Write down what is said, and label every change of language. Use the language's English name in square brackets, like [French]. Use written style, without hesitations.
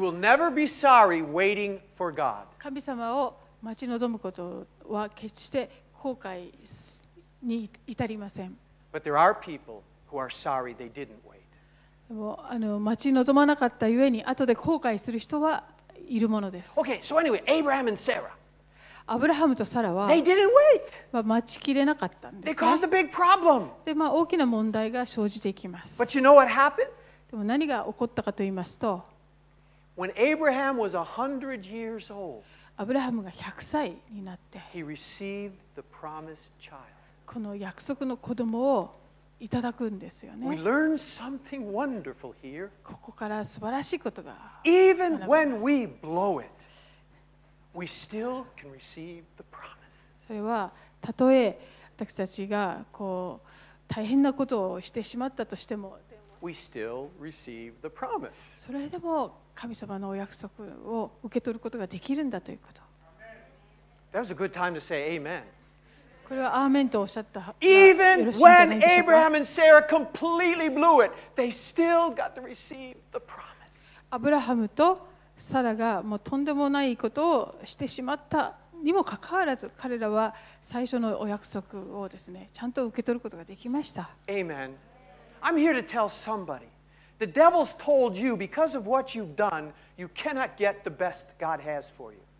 [English] You will never be sorry waiting for God. [Japanese] 神様を待ち望むことは決して後悔に至りません。 [English] But there are people who are sorry they didn't wait. [Japanese] でも、待ち望まなかったゆえに後で後悔する人はいるものです。 [English] Okay, so anyway, Abraham and Sarah. [Japanese] アブラハムとサラは [English] They didn't wait. [Japanese] 待ちきれなかったんですね。 [English] They caused a big problem. [Japanese] で、大きな問題が生じていきます。 [English] But you know what happened? [Japanese] でも何が起こったかと言いますと [English] When Abraham was 100 years old, [Japanese] アブラハムが100歳になって、 [English] He received the promised child. [Japanese] この約束の子供をいただくんですよね。 [English] We learn something wonderful here. [Japanese] ここから素晴らしいことが学べます。 [English] Even when we blow it, we still can receive the promise. [Japanese] それはたとえ私たちがこう大変なことをしてしまったとしても、 [English] We still receive the promise. [Japanese] それでも神様のお約束を受け取ることができるんだということ。 [English] That was a good time to say amen. [Japanese] これはアーメンとおっしゃった。 [English] Even when Abraham and Sarah completely blew it, they still got to receive the promise. [Japanese] アブラハムとサラがもうとんでもないことをしてしまったにもかかわらず、彼らは最初のお約束をですね、ちゃんと受け取ることができました。 [English] Amen. I'm here to tell somebody. The devil's told you because of what you've done, you cannot get the best God has for you.